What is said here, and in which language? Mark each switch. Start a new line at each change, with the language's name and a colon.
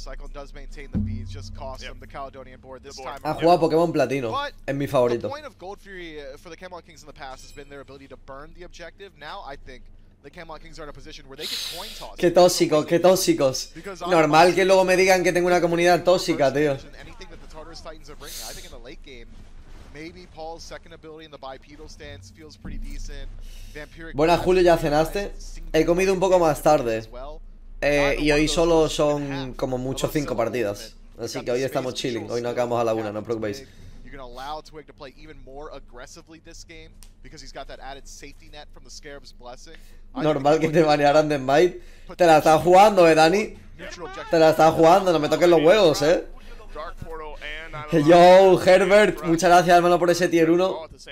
English: Cyclone does maintain the beads, just cost him the Caledonian board this time.
Spanish: Ha jugado Pokémon Platino. Es mi favorito.
English: The point of Gold Fury for the Camelot Kings in the past has been their ability to burn the objective. Now I think the Camelot Kings are in a position where they get coin toss.
Spanish: Qué tóxicos, qué tóxicos. Normal que luego me digan que tengo una comunidad tóxica, tío.
English: Anything that the Tartarus Titans are bringing, I think in the late game. Maybe Paul's second ability in the bipedal stance feels pretty decent.
Spanish: Vampiric. Buenas, Julio, ¿ya cenaste? He comido un poco más tarde. Y hoy solo son como mucho 5 partidas. Así que hoy estamos chilling. Hoy no acabamos a la 1, no os preocupéis.
English: You're gonna allow Twig to play even more aggressively this game because he's got that added safety net from the Scarab's blessing.
Spanish: Normal que te banearan de Might. Te la estás jugando, Dani. Te la estás jugando, no me toques los huevos,
English: Dark Portal.
Spanish: Yo, Herbert, muchas gracias, hermano, por ese tier 1.